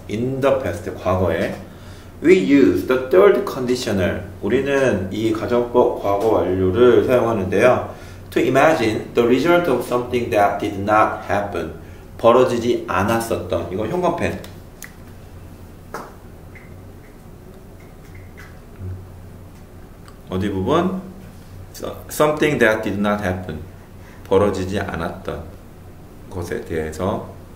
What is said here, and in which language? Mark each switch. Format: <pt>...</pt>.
<en>In the past,</en> <ko>과거에</ko> <en>We use the third conditional.</en> <ko>우리는 이 가정법 과거 완료를 사용하는데요.</ko> <en>To imagine the result of something that did not happen.</en> <ko>벌어지지 않았었던, 이거 형광펜. 어디 부분?</ko> <en>Something that did not happen.</en> <ko>벌어지지 않았던 것에 대해서.</ko>